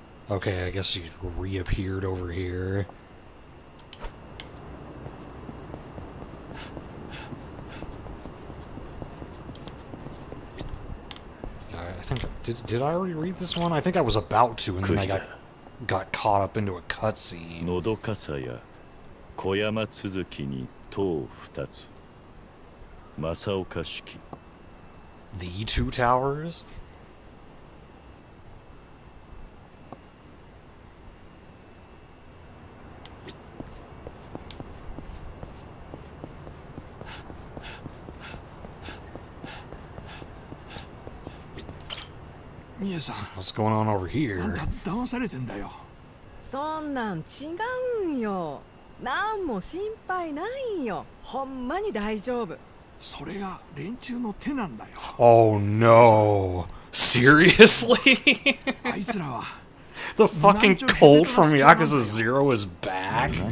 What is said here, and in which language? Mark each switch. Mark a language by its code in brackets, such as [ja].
[en] Okay, I guess he's reappeared over here. Did I already read this one? I think I was about to, and then I got caught up into a cutscene. [ja] のどかさや小山続きに塔二つ。正岡式。 [en] The two towers? What's going on over here? [ja] あんた騙されてんだよ。そんなん違うんよ。何も心配ないよ。ほんまに大丈夫。それが連中の手なんだよ。 [en] Oh no! Seriously? [ja] あいつらは。 [en] The fucking cold from Yakuza Zero is back.